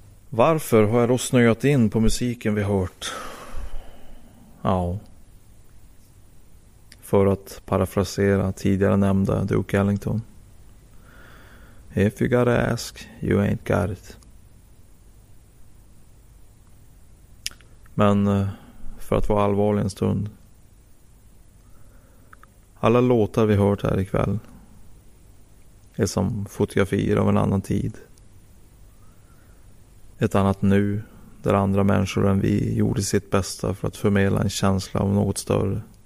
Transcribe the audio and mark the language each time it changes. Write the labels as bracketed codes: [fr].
[sv] Varför har jag då snöat in på musiken vi hört? Ja, för att parafrasera tidigare nämnda Duke Ellington. [en] If you gotta ask, you ain't got it. [sv] Men för att vara allvarlig en stund. Alla låtar vi hört här ikväll är som fotografier av en annan tid. Ett annat nu där andra människor än vi gjorde sitt bästa för att förmedla en känsla av något större.